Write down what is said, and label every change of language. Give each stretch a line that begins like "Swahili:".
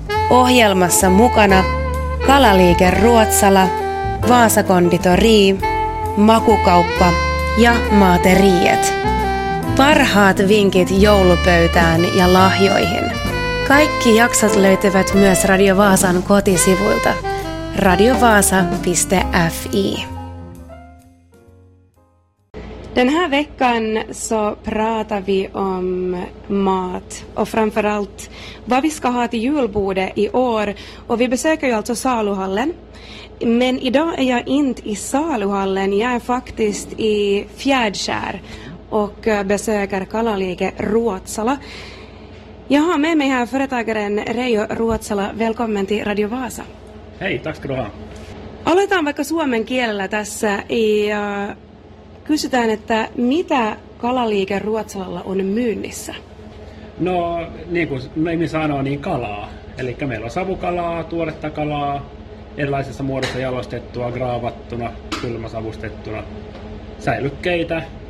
Finnish: Ohjelmassa mukana Kalaliike Ruotsala, Vaasakonditori, Makukauppa ja Maateriet. Parhaat vinkit joulupöytään ja lahjoihin. Kaikki jaksot löytyvät myös Radio Vaasan kotisivuilta radiovaasa.fi.
Swedish: Den här veckan så pratar vi om mat och framförallt vad vi ska ha till julbordet i år. Och vi besöker ju alltså saluhallen. Men idag är jag inte i saluhallen, jag är faktiskt i Fjärdskär och besöker Kalaliike Ruotsala. Jag har med mig här företagaren Reijo Ruotsala. Välkommen till Radio Vaasa. Hej, tack ska du ha.
Finnish: Aloitetaan vaikka suomen kielellä tässä ja kysytään, että mitä Kalaliike Ruotsalalla on myynnissä? No, niin kuin nimi sanoo, niin kalaa. Eli meillä on savukalaa, tuoretta kalaa, erilaisessa muodossa jalostettua, graavattuna, kylmäsavustettuna, säilykkeitä.